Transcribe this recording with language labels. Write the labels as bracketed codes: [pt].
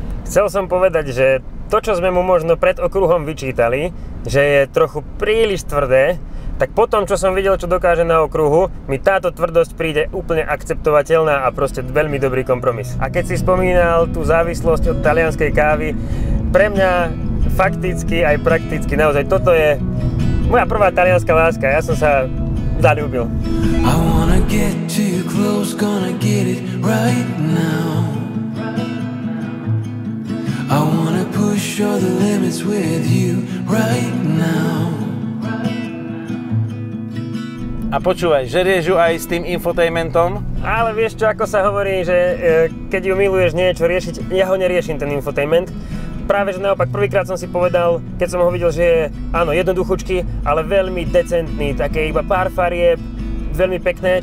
[sk] Chcel som povedať, že to, čo sme mu možno pred okruhom vyčítali, že je trochu príliš tvrdé, tak potom, čo som videl, čo dokáže na okruhu, mi táto tvrdosť príde úplne akceptovateľná a proste veľmi dobrý kompromis. A keď si spomínal tú závislosť od talianskej kávy, pre mňa fakticky aj prakticky naozaj toto je moja prvá talianska láska. Ja som sa zaľúbil. [en] I wanna get too close, gonna get it right now. I wanna push all the limits with you right now. [sk] A počúvaj, žerieš ju aj s tým infotainmentom? Ale vieš čo, ako sa hovorí, že keď ju miluješ niečo riešiť, ja ho neriešim, ten infotainment. Práve že naopak, prvýkrát som si povedal, keď som ho videl, že je, áno, jednoduchúčky, ale veľmi decentný, také iba pár farieb, veľmi pekné.